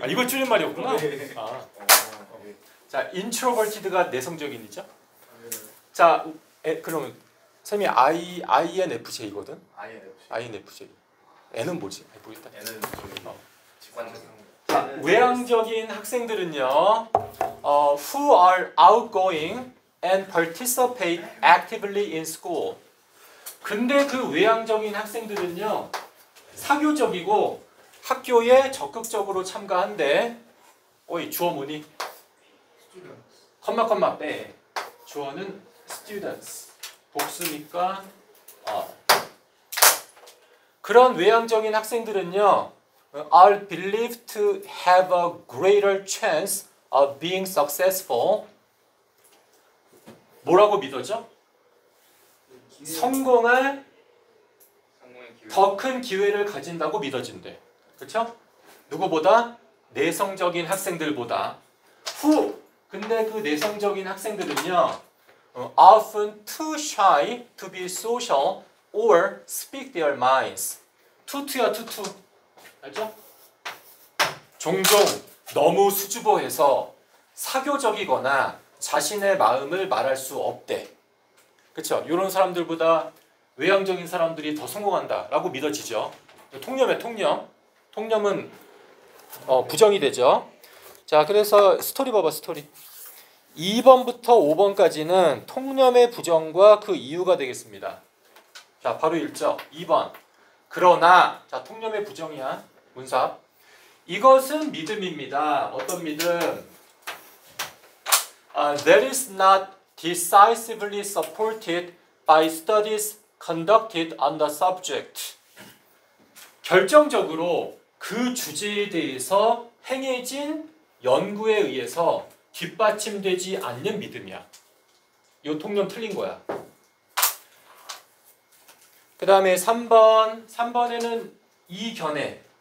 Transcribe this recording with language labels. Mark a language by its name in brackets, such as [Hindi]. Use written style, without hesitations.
[Korean] 아 이걸 줄임말이었구나. 네. 아. 자, 인트로버티드가 내성적인이죠? 자, 그러면 쌤이 INFJ거든. INFJ. N은 뭐지? 보겠다. N은 직관적인 자, 외향적인 학생들은요. [English] Who are outgoing and participate actively in school. [Korean] 근데 그 외향적인 학생들은요. 사교적이고 학교에 적극적으로 참가한대. 오이 주어 뭐니? [English] Students. [Korean] 콤마 콤마 빼. 주어는 students. 복수니까 그런 외향적인 학생들은요. [English] Are believed to have a greater chance of being successful. [Korean] 뭐라고 믿어져? 성공할 더 큰 기회를 가진다고 믿어진대. 그렇죠? 누구보다? 내성적인 학생들보다. [English] Who? [Korean] 근데 그 내성적인 학생들은요. [English] Often too shy to be social or speak their minds. [Korean] 투투야 투투. 알죠? 종종 너무 수줍어해서 사교적이거나 자신의 마음을 말할 수 없대. 그렇죠? 이런 사람들보다 외향적인 사람들이 더 성공한다라고 믿어지죠. 통념의 통념. 통념은 부정이 되죠. 자, 그래서 스토리 봐봐, 스토리. 2번부터 5번까지는 통념의 부정과 그 이유가 되겠습니다. 자, 바로 읽죠. 2번. 그러나, 자, 통념의 부정이야. 문사. 이것은 믿음입니다. 어떤 믿음? [English] That is not decisively supported by studies conducted on the subject. [Korean] 결정적으로 그 주제에 대해서 행해진 연구에 의해서 뒷받침되지 않는 믿음이야. 요 통념 틀린 거야. 그 다음에 3번. 3번에는 이 견해.